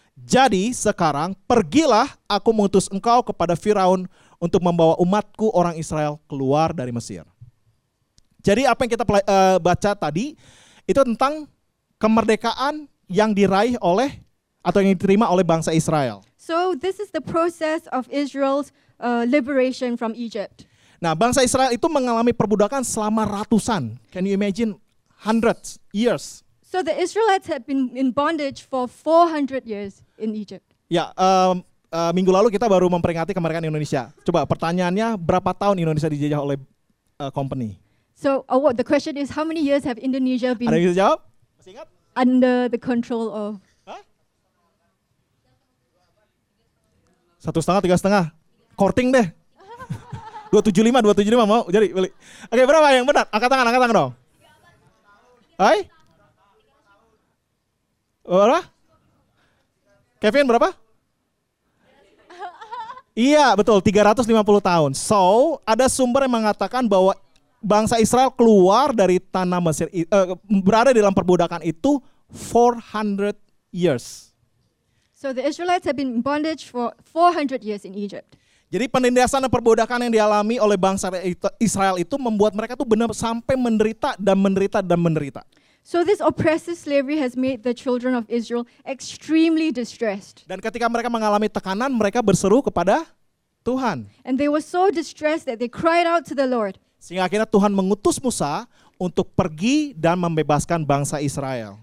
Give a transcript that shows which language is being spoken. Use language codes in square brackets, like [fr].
[id] Jadi sekarang pergilah, aku mengutus engkau kepada Firaun untuk membawa umatku orang Israel keluar dari Mesir. Jadi apa yang kita baca tadi itu tentang kemerdekaan yang diraih oleh atau yang diterima oleh bangsa Israel. [en] So this is the process of Israel's liberation from Egypt. [id] Nah, bangsa Israel itu mengalami perbudakan selama ratusan. [en] Can you imagine hundreds years? So the Israelites had been in bondage for 400 years in Egypt. [id] Ya, minggu lalu kita baru memperingati kemerdekaan Indonesia. Coba pertanyaannya, berapa tahun Indonesia dijajah oleh company? [en] So what the question is, how many years have Indonesia been? [id] Ada yang bisa jawab? Masih ingat? [en] Under the control of? [id] Satu setengah, tiga setengah, korting deh. 275 mau jadi beli. Oke, berapa yang benar? Angkat tangan dong. Hai? Berapa? Kevin berapa? Iya, betul, 350 tahun. So, ada sumber yang mengatakan bahwa bangsa Israel keluar dari tanah Mesir, berada dalam perbudakan itu [en] 400 years. So the Israelites have been in bondage for 400 years in Egypt. [id] Jadi penindasan dan perbudakan yang dialami oleh bangsa Israel itu membuat mereka tuh benar sampai menderita dan menderita dan menderita. [en] So this oppressive slavery has made the children of Israel extremely distressed. [id] Dan ketika mereka mengalami tekanan, mereka berseru kepada Tuhan. [en] And they were so distressed that they cried out to the Lord. [id] Sehingga akhirnya Tuhan mengutus Musa untuk pergi dan membebaskan bangsa Israel.